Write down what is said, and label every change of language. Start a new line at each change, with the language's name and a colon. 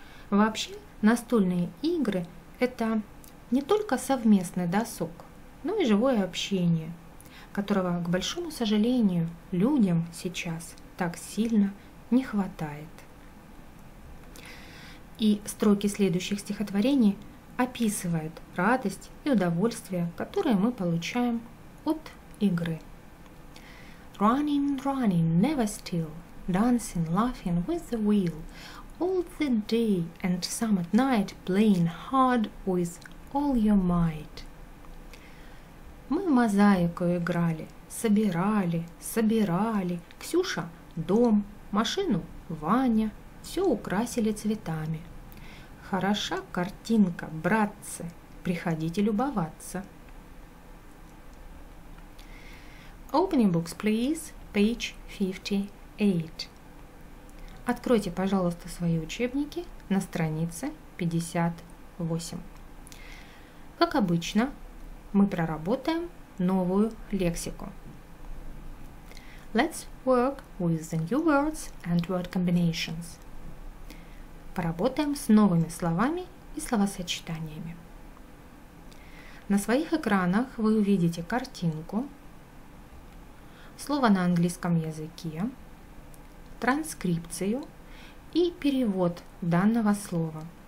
Russian: Вообще, настольные игры – это не только совместный досуг, но и живое общение, которого, к большому сожалению, людям сейчас так сильно не хватает. И строки следующих стихотворений – описывают радость и удовольствие, которые мы получаем от игры.
English: Running, running, never still, dancing, laughing with the wheel, all the day and some at night, playing hard with all your might.
Russian: Мы в мозаику играли, собирали, собирали, Ксюша – дом, машину – Ваня, все украсили цветами. Хороша картинка, братцы, приходите любоваться.
English: Open your books, please, page 58.
Russian: Откройте, пожалуйста, свои учебники на странице 58. Как обычно, мы проработаем новую лексику.
English: Let's work with the new words and word combinations.
Russian: Поработаем с новыми словами и словосочетаниями. На своих экранах вы увидите картинку, слово на английском языке, транскрипцию и перевод данного слова.